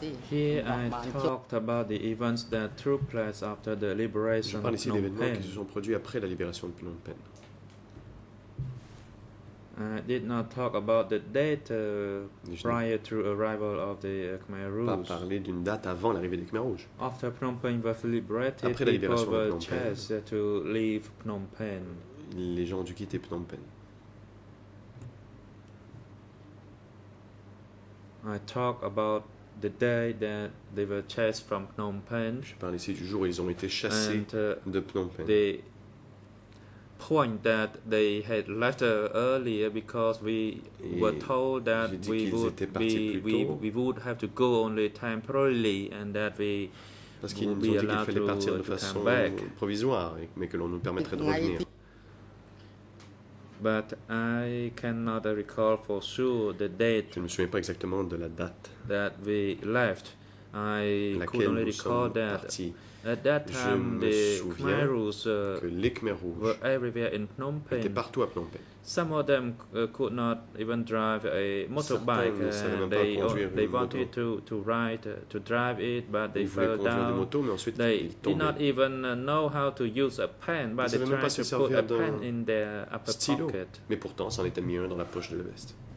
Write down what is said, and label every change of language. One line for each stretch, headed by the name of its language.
English: Here I talked about the events that took place after the liberation of Phnom Penh.
French: Qui se sont produits après la libération de Phnom Penh.
English: I did not talk about the date prior to arrival of the Khmer Rouge.
French: Pas parler d'une date avant l'arrivée des Khmer Rouges.
English: After Phnom Penh was liberated,
French: après la libération de Phnom Penh,
English: people were chased to leave Phnom Penh.
French: Les gens ont dû quitter Phnom Penh.
English: I talk about the day that they were chased from Phnom Penh.
French: Je parle ici du jour où ils ont été chassés de Phnom Penh.
English: The point that they had left earlier because we were told that we would have to go only temporarily and that we
French: parce qu'ils nous ont dit qu'il fallait partir de façon provisoire mais que l'on nous permettrait de revenir.
English: But I cannot recall for sure the date.
French: Je ne me souviens pas exactement de la date.
English: That we left. I could only recall that
French: partis.
English: At that time the Khmer Rouge,
French: que les Khmer Rouges
English: were everywhere in Phnom Penh.
French: Étaient partout à Phnom Penh.
English: Some of them could not even drive a motorbike. They wanted to ride to drive it, but they fell down.
French: Moto, mais ensuite,
English: they did not even know how to use a pen, but they tried to put a pen in their upper
French: stylo.
English: Pocket.
French: Mais pourtant, ça en était mis un dans la poche de la veste.